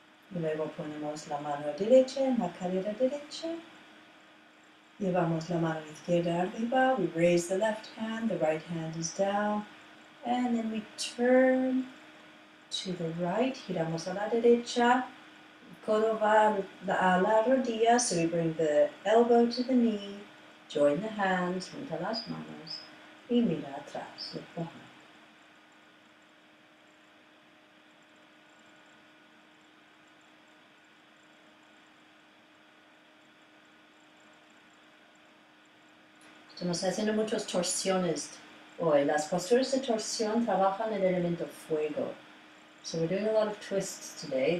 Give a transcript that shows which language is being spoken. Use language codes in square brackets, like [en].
[es] Luego ponemos la mano derecha en la cadera derecha. Llevamos la mano izquierda arriba. [en] We raise the left hand, the right hand is down. And then we turn to the right. [es] Giramos a la derecha. Codo va a la rodilla, [en] so we bring the elbow to the knee, join the hands, [es] junta las manos, y mira atrás, [en] look behind. [es] Estamos haciendo muchas torsiones Hoy las posturas de torsión trabajan el elemento fuego. [en] So we're doing a lot of twists today.